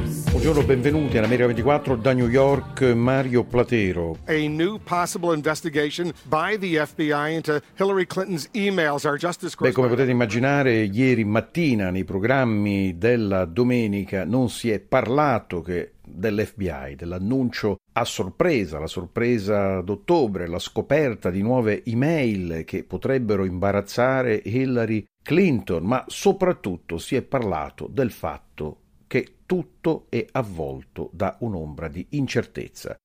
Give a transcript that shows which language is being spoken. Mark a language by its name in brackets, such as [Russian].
[Italian] Buongiorno, benvenuti all'America 24 da New York, Mario Platero. [English] A new possible investigation by the FBI into Hillary Clinton's emails. Our Justice [Italian] Beh, come potete immaginare, ieri mattina nei programmi della domenica non si è parlato che dell'FBI, dell'annuncio a sorpresa, la sorpresa d'ottobre, la scoperta di nuove email che potrebbero imbarazzare Hillary Clinton, ma soprattutto si è parlato del fatto che tutto è avvolto da un'ombra di incertezza.